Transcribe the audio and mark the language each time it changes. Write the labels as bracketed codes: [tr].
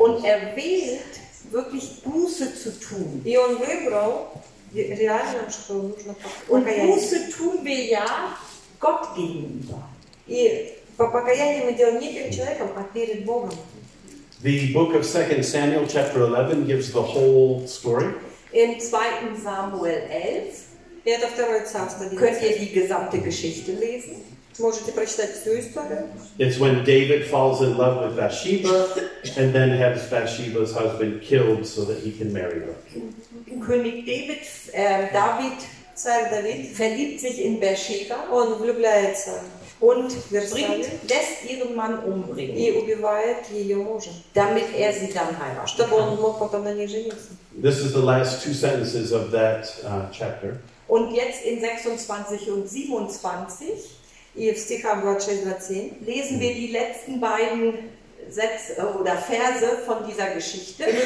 [de] Und er wählt wirklich Buße zu tun. [ru] И он выбрал реально, что нужно покаяние. [de] Und Buße tun wir ja Gott gegenüber. [ru] И по покаянию мы делаем не перед человеком, а перед Богом. [en] The book of 2 Samuel chapter 11 gives the whole story. [de] In 2 Samuel 11 wird auf der Rezaste, könnt ihr die gesamte Geschichte lesen. [ru] Можете прочитать всю историю. [en] It's when David falls in love with Bathsheba and then has Bathsheba's husband killed so that he can marry her. [de] König David, David, [ru] царь David, [de] verliebt sich in Bathsheba [ru] und влюбляется. [de] Und bringt, lässt ihren Mann umbringen. [ru] И убивает ее мужа. [de] Damit sie dann heiratet. [ru] Чтобы он мог потом на ней жениться. [en] This is the last two sentences of that chapter. [de] Und jetzt in 26 und 27 lesen wir die letzten beiden Sätze oder Verse von dieser Geschichte.